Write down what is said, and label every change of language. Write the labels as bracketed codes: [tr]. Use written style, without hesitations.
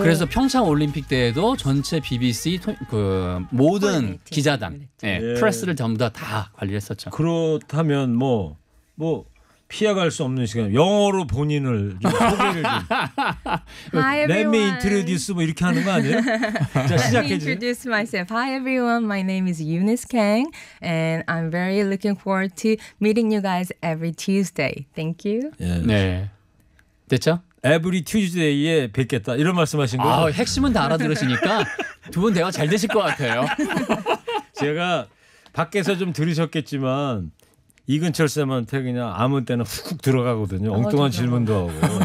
[ko] 그래서 평창 올림픽 때에도 전체 BBC 그 모든 기자단 예, 예. 프레스를 전부 다 관리했었죠. 그렇다면 뭐 피해갈 수 없는 시간 영어로 본인을 좀 소개를 좀 [en] Hi, Let me introduce [ko] 뭐 이렇게 하는 거 아니에요? 자, 시작해 주세요. [en] Let me introduce myself. Hi everyone. My name is Eunice Kang and I'm very looking forward to meeting you guys every Tuesday. Thank you. [ko] 예. 네. 됐죠? Every Tuesday에 뵙겠다. 이런 말씀하신 거예요? 아, 핵심은 다 알아들으시니까 두 분 대화 잘 되실 것 같아요. 제가 밖에서 좀 들으셨겠지만 이근철 쌤한테 그냥 아무 때나 훅훅 들어가거든요. 엉뚱한 좋아요. 질문도 하고.